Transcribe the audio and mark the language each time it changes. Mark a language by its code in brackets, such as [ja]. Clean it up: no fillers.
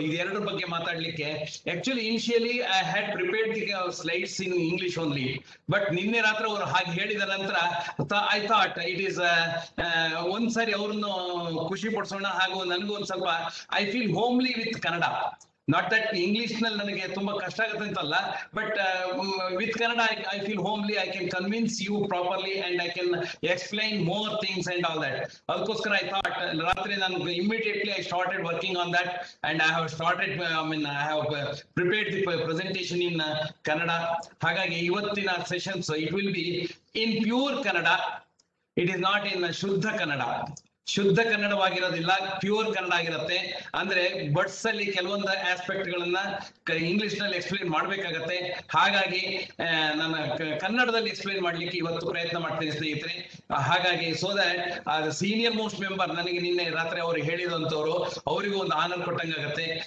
[kn] ಇದೆರಡರ ಬಗ್ಗೆ ಮಾತಾಡ್ಲಿಕ್ಕೆ actually [en] initially I had prepared the slides in English only, but [kn] ನಿನ್ನೆ ರಾತ್ರಿ ಅವರು ಹಾಗೆ ಹೇಳಿದ ನಂತರ [en] I thought it is [kn] ಒಂದ್ಸರಿ ಅವ್ರನ್ನು ಖುಷಿ ಪಡಿಸೋಣ, ಹಾಗೂ ನನಗೂ ಒಂದ್ ಸ್ವಲ್ಪ [en] I feel homely with Kannada. Not that English [kn] nal nanage tumbha kashta agutte antalla, [en] but with Kannada I feel homely. I can convince you properly and I can explain more things and all that. [kn] Adukoskara [en] I thought [kn] ratri nan [en] immediately I started working on that, and I have started, I have prepared the presentation in Kannada. [kn] Hagage ivattina [en] session so it will be in pure Kannada. It is not in shuddha Kannada. [kn] ಶುದ್ಧ ಕನ್ನಡವಾಗಿರೋದಿಲ್ಲ, pure Kannada ಆಗಿರುತ್ತೆ. ಅಂದ್ರೆ birds ಅಲ್ಲಿ ಕೆಲವೊಂದು aspect ಗಳನ್ನ English ನಲ್ಲಿ explain ಮಾಡ್ಬೇಕಾಗತ್ತೆ. ಹಾಗಾಗಿ ನಾನು ಕನ್ನಡದಲ್ಲಿ ಎಕ್ಸ್ಪ್ಲೇನ್ ಮಾಡ್ಲಿಕ್ಕೆ ಇವತ್ತು ಪ್ರಯತ್ನ ಮಾಡ್ತೇನೆ ಸ್ನೇಹಿತರೆ. ಹಾಗಾಗಿ [en] so that senior most member [kn] ನನಗೆ ನಿನ್ನೆ ರಾತ್ರಿ ಅವರು ಹೇಳಿದಂತವರು ಅವರಿಗೂ ಒಂದು ಆನಂದ ಕೊಟ್ಟಂಗೆ ಆಗತ್ತೆ.